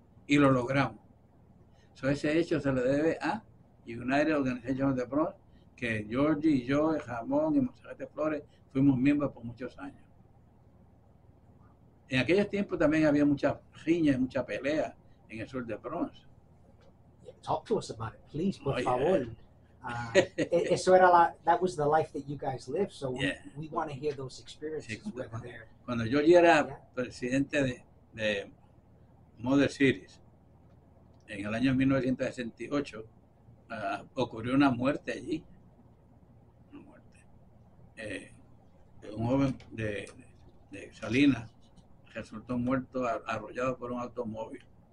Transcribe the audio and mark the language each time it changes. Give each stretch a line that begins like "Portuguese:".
Spanish: Y lo logramos. So, ese hecho se le debe a United Organization of the Bronx, que Georgie y yo, y Jamón y Monserrate Flores, fuimos miembros por muchos años. En aquellos tiempos también había mucha riña y mucha pelea en el sur de Bronx.
English: Talk to us about it, please,
Spanish: por favor.
English: So era la, that was the life that you guys lived, so we want to hear those experiences over there.
Spanish: Cuando Georgie era presidente de Mother Cities, en el año 1968, ocurrió una muerte allí. Una muerte. Un joven de Salinas resultó muerto arrollado por un automóvil.